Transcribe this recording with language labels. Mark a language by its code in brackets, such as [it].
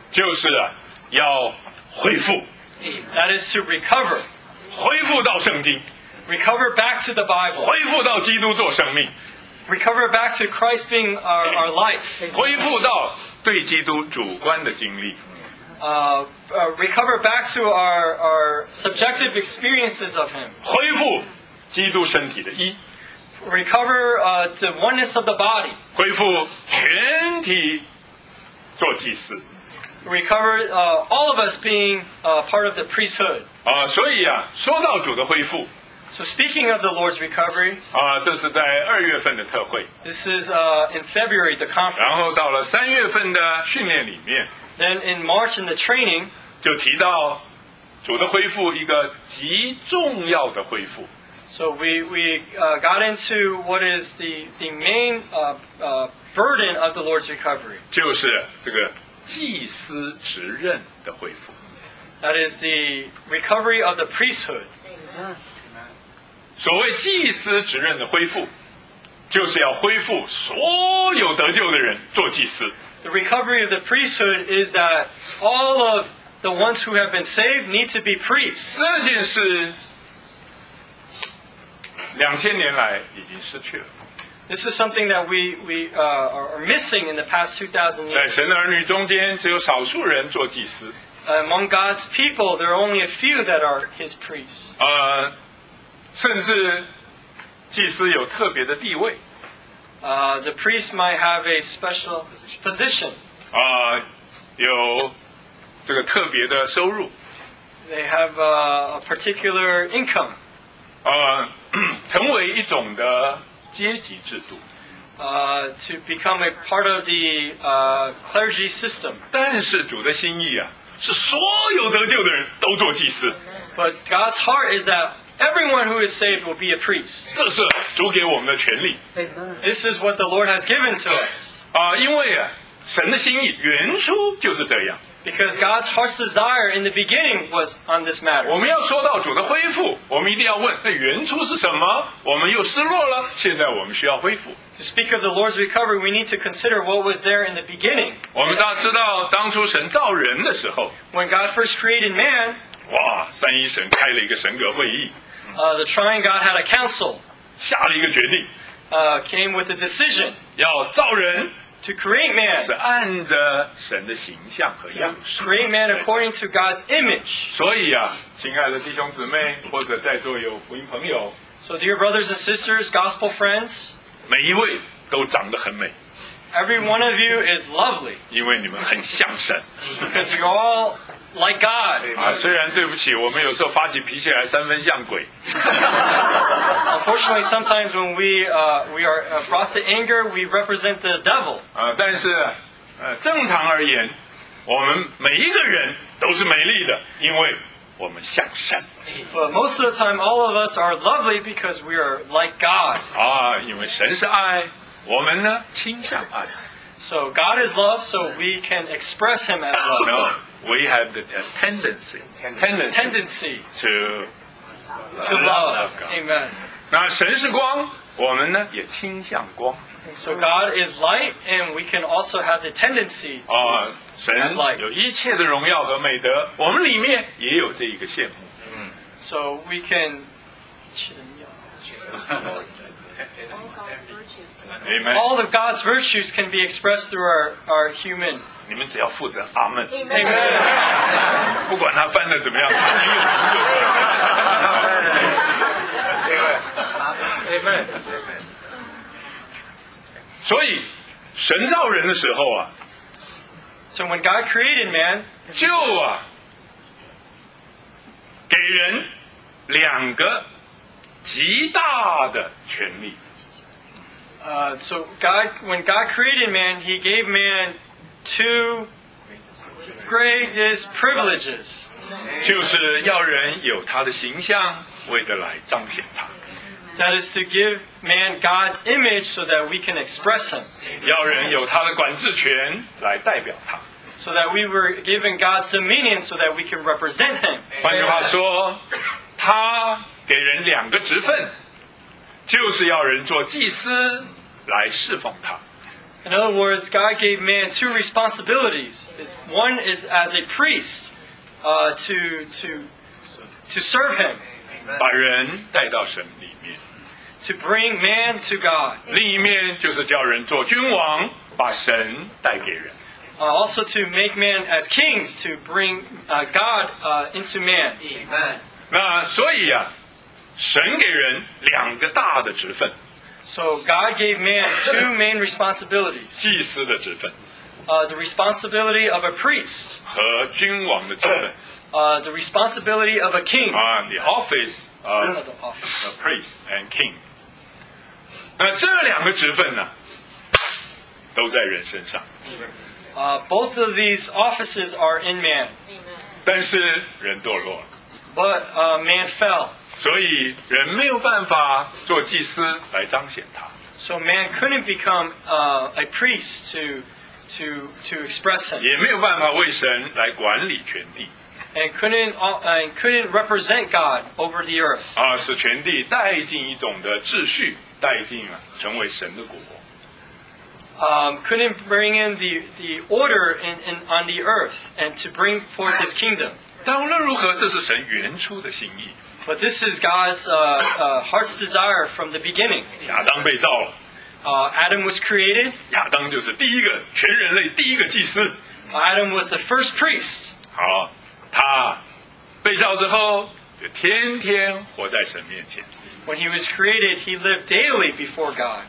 [zh] 就是啊，要恢复。 [en] That is to recover. [zh] 恢复到圣经。 [en] Recover back to the Bible. [zh] 恢复到基督做生命。 [en] Recover back to Christ being our life. [zh] 恢复到对基督主观的经历。 [en] Recover back to our subjective experiences of Him. [zh] 恢复基督身体的一。 [en] Recover the oneness of the body. [zh] 恢复全体做祭司。 [en] Recover all of us being part of the priesthood. [zh] 所以啊，说到主的恢复。 [en] So speaking of the Lord's recovery, [zh] 这是在2月份的特会。 [en] This is in February, the conference. [zh] 然后到了3月份的训练里面。 [en] Then in March, in the training, [zh] 就提到主的恢复一个极重要的恢复。 [en] So we got into what is the main burden of the Lord's recovery. [zh] 就是这个祭司职任的恢复。 [en] That is the recovery of the priesthood. [zh] 所谓祭司职任的恢复, 就是要恢复所有得救的人做祭司。 [en] The recovery of the priesthood is that all of the ones who have been saved need to be priests. [zh] 那件事, 2000年来已经失去了。 [en] This is something that we are missing in the past 2000 years. [zh] 在神的儿女中间只有少数人做祭司。 [en] Among God's people, there are only a few that are His priests. [zh] 甚至祭司有特别的地位。 [en] The priest might have a special position. [zh] 有这个特别的收入。 [en] They have a particular income. [zh] 成为一种的阶级制度。 [en] To become a part of the clergy system. [zh] 但是主的心意啊，是所有得救的人都做祭司。 [en] But God's heart is that everyone who is saved will be a priest. [zh] 这是主给我们的权利。 [en] This is what the Lord has given to us. [zh] 因为神的心意原初就是这样。 [en] Because God's heart's desire in the beginning was on this matter. [zh] 我们要说到主的恢复, 我们一定要问, 那原初是什么? 我们又失落了, 现在我们需要恢复。 [en] To speak of the Lord's recovery, we need to consider what was there in the beginning. [zh] 我们大家知道当初神造人的时候, [en] When God first created man, [zh] 哇, 三一神开了一个神格会议。 [en] The triune God had a council. [zh] 下了一个决定。 [en] Came with a decision. [zh] 要造人。 [en] To create man. [zh] 是按着神的形象和样式。 [en] Create man according to God's image. [zh] 所以啊, 亲爱的弟兄姊妹, 或者在座有福音朋友, [en] So dear brothers and sisters, gospel friends, [zh] 每一位都长得很美。 [en] Every one of you is lovely. [zh] 因为你们很像神。 [en] Because you're all like God. [zh] 虽然对不起, 我们有时候发起脾气来, 三分像鬼。 [en] Unfortunately, sometimes when we are brought to anger, we represent the devil. [zh] 但是, 正常而言, 我们每一个人都是美丽的, 因为我们像神。 [en] But most of the time, all of us are lovely because we are like God. [zh] 因为神是爱, 我们呢, 倾向爱。 [en] So God is love, so we can express Him as love. No, we have the tendency to love. Amen. [zh] 那神是光, 我们呢, 也倾向光。 [en] So God is light, and we can also have the tendency to have light. [zh] 有一切的荣耀和美德, 我们里面也有这一个羡慕。 [en] So we can... Amen. All of God's virtues can be expressed through our human. [zh] 你们只要负责, Amen. [en] Amen. [zh] 不管他翻得怎么样，你有什么就说。Amen. 所以神造人的时候啊, [en] So when God created man, [zh] 就啊, 给人两个极大的权利。 [en] So God, when God created man, He gave man two greatest privileges. [zh] 就是要人有他的形象，为了来彰显他。 [en] That That is to give man God's image so that we can express him. [zh] 要人有他的管制权来代表他。 [en] So that we were given God's dominion so that we can represent him. [zh] 换句话说，他给人两个职分，就是要人做祭司来侍奉他。 [en] In other words, God gave man two responsibilities. One is as a priest, to serve him. [zh] 把人带到神里面。 [en] To bring man to God. [zh] 另一面就是叫人做君王，把神带给人。 [en] Also to make man as kings, to bring God into man. Amen. [zh] 那所以啊，神给人两个大的职分。 [en] So God gave man two main responsibilities. [zh] 祭司的职分。 [en] The responsibility of a priest. [zh] 和君王的职分。 [en] The responsibility of a king. And the office of a priest and king. [zh] 那这两个职分呢，都在人身上。 [en] Both of these offices are in man. [zh] 但是人堕落了。 [en] But man fell. [zh] 所以人没有办法做祭司来彰显他。 [en] So man couldn't become a priest to express him. [zh] 也没有办法为神来管理全地。 [en] And couldn't represent God over the earth. [zh] 使全地带进一种的秩序，带进成为神的国。 [en] Couldn't bring in the order in on the earth and to bring forth his kingdom. [zh] 但无论如何，这是神原初的心意。 [en] But this is God's heart's desire from the beginning. [zh] 亚当被造了。 [en] Adam was created. [zh] 亚当就是第一个全人类第一个祭司。 [en] Adam was the first priest. [zh] 好，他被造之后就天天活在神面前。 [en] When he was created, he lived daily before God.